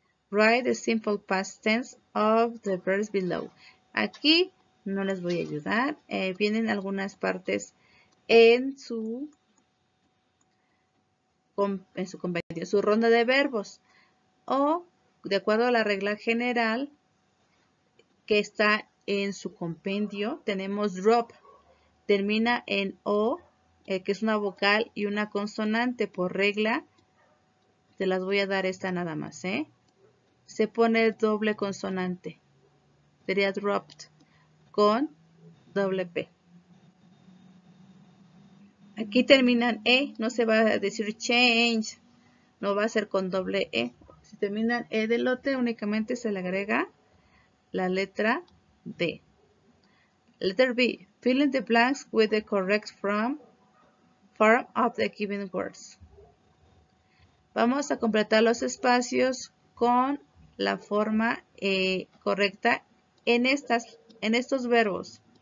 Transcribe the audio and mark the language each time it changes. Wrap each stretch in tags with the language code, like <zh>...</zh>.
<en>Write the simple past tense of the verbs below.</en> <es>Aquí no les voy a ayudar. Vienen algunas partes en su convención, su ronda de verbos. O, de acuerdo a la regla general que está en su compendio, tenemos drop. Termina en O, que es una vocal y una consonante por regla. Te las voy a dar esta nada más, ¿eh? Se pone doble consonante. Sería dropped con doble P. Aquí terminan E. No se va a decir change. No va a ser con doble E. Si terminan E de lote, únicamente se le agrega la letra D.</es> <en>Letter B. Fill in the blanks with the correct form of the given words.</en> <es>Vamos a completar los espacios con la forma correcta en estos verbos.</es>